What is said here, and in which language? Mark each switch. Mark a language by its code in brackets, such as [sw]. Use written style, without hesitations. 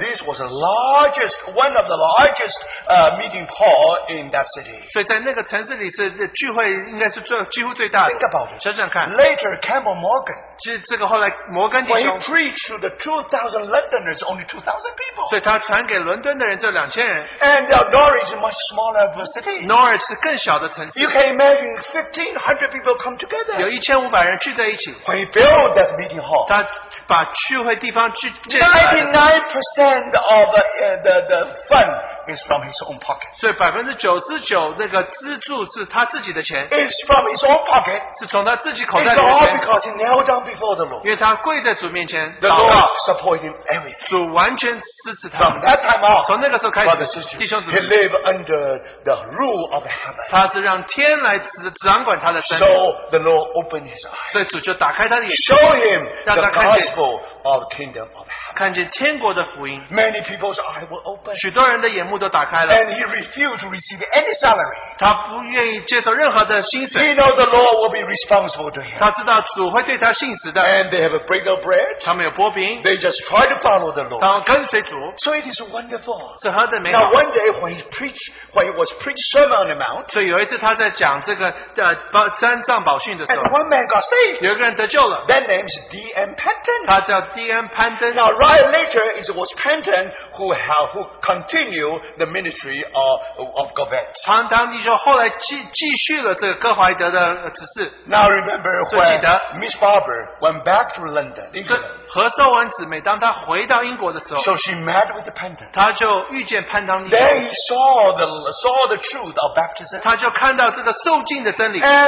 [en] this was the largest, one of the largest meeting hall in that city. [zh] 所以在那个城市里是聚会应该是最几乎最大的。 [en] Think about it, [zh] 想想看, [en] later Campbell Morgan, [zh] 这个后来摩根弟兄, [en] when he preached to the 2,000 Londoners, only 2,000 people. [zh] 所以他传给伦敦的人只有2,000人。 [en] And Norwich is a much smaller city. [zh] Norwich 是更小的城市。 [en] You can imagine 1,500 people come together. [zh] 有1,500人聚在一起。 [en] When he built that meeting hall, [zh] 他把聚会地方聚建起来了。 [en] 99% of the fund is from his own pocket. [zh] 所以99%那个资助是他自己的钱。 [en] It's from his own pocket. [zh] 是从他自己口袋里的钱。 [en] It's all because he knelt down before the Lord. [zh] 因为他跪在主面前, [en] the Lord supported him everything. [zh] 主完全支持他。 [en] From that time on, [zh] 从那个时候开始, [en] brother, sister, [zh] 弟兄姊妹, [en] he lived under the rule of heaven. [zh] 他是让天来掌管他的生命。 [en] So the Lord opened his eyes. [zh] 所以主就打开他的眼睛, [en] show him the gospel of kingdom of heaven. [zh] 看见天国的福音, [en] many people's eyes were opened. [zh] 许多人的眼 [en] And he refused to receive any salary. [zh] 他不愿意接受任何的薪水。 [en] He knows the Lord will be responsible to him. [zh] 他知道主会对他信实的。 [en] And they have a break of bread. [zh] 他们有薄饼。 [en] They just try to follow the Lord. [zh] 他们跟随主。 [en] So it is wonderful. [zh] 是何等美好。 [en] Now one day when he preached, when he was preached Sermon on the Mount, [zh] 所以有一次他在讲这个, 山上宝训的时候, [en] and one man got saved. [zh] 有一个人得救了。 [en] That name is D.M. Panton. [zh] 他叫D.M. Panton. [en] Now right later it was Panton who continued the ministry of Govett. [zh] 唐当弟兄后来继续了这个哥怀德的指示。 [en] Now remember when Miss Barber went back to London, [zh] 何寿文姊妹当她回到英国的时候, [en] so she met with the Panton. [zh] 她就遇见潘当弟兄。 [en] Then saw the truth of baptism. [zh] 她就看到这个受浸的真理。